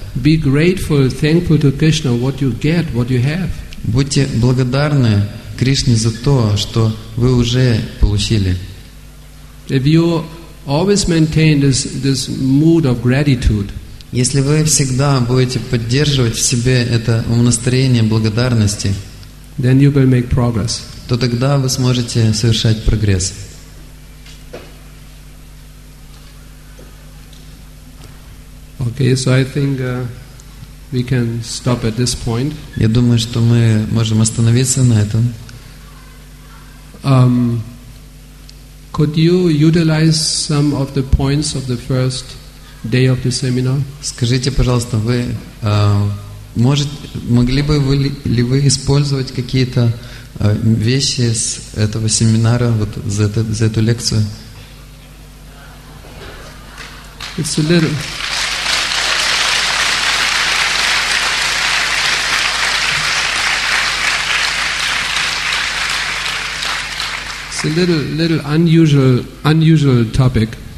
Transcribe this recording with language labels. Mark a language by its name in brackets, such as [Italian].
[English] Be grateful, thankful to Krishna what you get, what you have. [Russian] Будьте благодарны Кришне за то, что вы уже получили. [English] If you always maintain this mood of gratitude. [Russian] Если вы всегда будете поддерживать в себе это настроение благодарности, [English] then you will make progress. [Russian] То тогда вы сможете совершать прогресс. [English] Okay, so I think we can stop at this point. [Russian] Я думаю, что мы можем остановиться на этом. [English] Could you utilize some of the points of the first day of the seminar? [Russian] Скажите, пожалуйста, вы могли бы вы использовать какие-то вещи с этого семинара вот за эту лекцию? [English] It's a little. It's a little unusual topic.